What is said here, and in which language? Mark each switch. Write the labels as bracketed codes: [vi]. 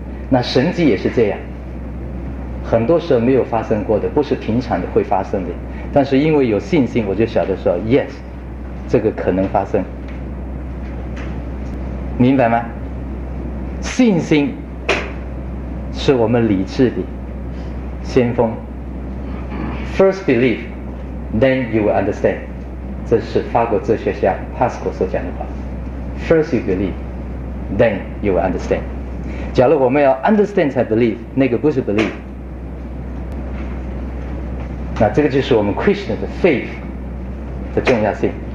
[zh] 那神迹也是这样，很多时候没有发生过的，不是平常的会发生的，但是因为有信心，我就晓得说 yes 这个可能发生，明白吗？信心是我们理智的先锋。 [en] First believe, then you will understand. [zh] 这是法国哲学家 Pascal 所讲的话。 [en] First you believe, then you will understand. [zh] 假如我们要 understand 才 believe, 那个不是 believe。那这个就是我们 Christian 的 faith 的重要性。